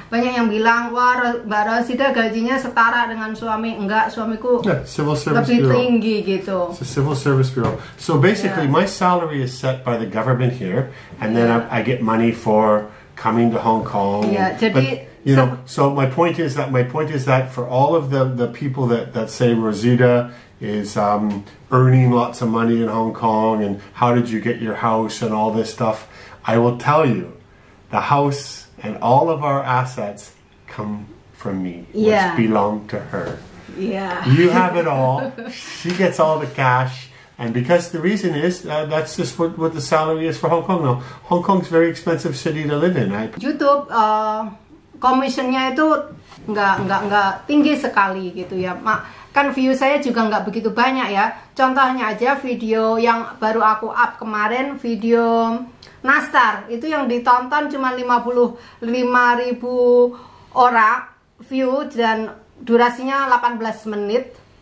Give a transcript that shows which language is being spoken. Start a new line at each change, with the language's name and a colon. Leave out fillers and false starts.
Indonesian: Banyak yang bilang, wah Mbak Rosita gajinya setara dengan suami. Enggak, suamiku
English: civil service
Indonesian: lebih
English: bureau.
Indonesian: Tinggi gitu.
English: It's a civil service bureau. So basically, my salary is set by the government here, and then I get money for coming to Hong Kong. My point is that for all of the people that say Rosita is earning lots of money in Hong Kong and how did you get your house and all this stuff, I will tell you, the house and all of our assets come from me, which belong to her. Yeah. You have it all, she gets all the cash, and because the reason is, that's just what the salary is for Hong Kong. Now, Hong Kong's a very expensive city to live in.
Indonesian: YouTube, commission-nya itu nggak tinggi sekali gitu ya. Kan view saya juga nggak begitu banyak ya. Contohnya aja video yang baru aku up kemarin, video Nastar, itu yang ditonton cuma 55.000 orang view dan durasinya 18 menit.